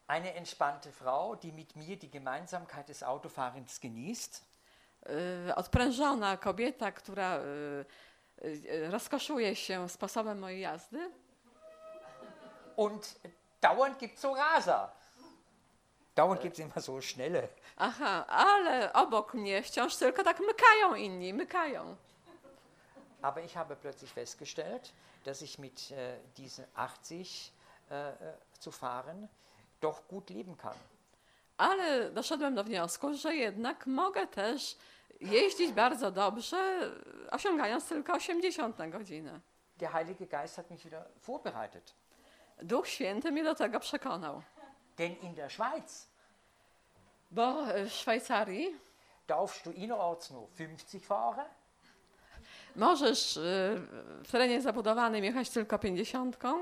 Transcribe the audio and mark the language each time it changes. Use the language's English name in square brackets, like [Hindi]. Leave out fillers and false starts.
[German] Eine entspannte Frau, die mit mir die Gemeinsamkeit des Autofahrens genießt. [Polish] Odprężona kobieta, która rozkoszuje się sposobem mojej jazdy. [German] Und dauernd gibt's so Raser. Dauernd gibt's immer so schnelle. [Polish] Aha, ale obok mnie wciąż tylko tak mykają inni, mykają. [German] Aber ich habe plötzlich festgestellt, dass ich mit diesen 80 zu fahren doch gut leben kann. [Polish] Ale doszedłem do wniosku, że jednak mogę też jeździć bardzo dobrze, osiągając tylko 80 na godzinę. [German] Der Heilige Geist hat mich wieder vorbereitet. [Polish] Duch Święty mnie do tego przekonał. [German] Denn in der Schweiz. [Polish] Bo w Szwajcarii. [German] Darfst du innerorts nur 50 fahren? [Polish] Możesz w terenie zabudowanym jechać tylko 50.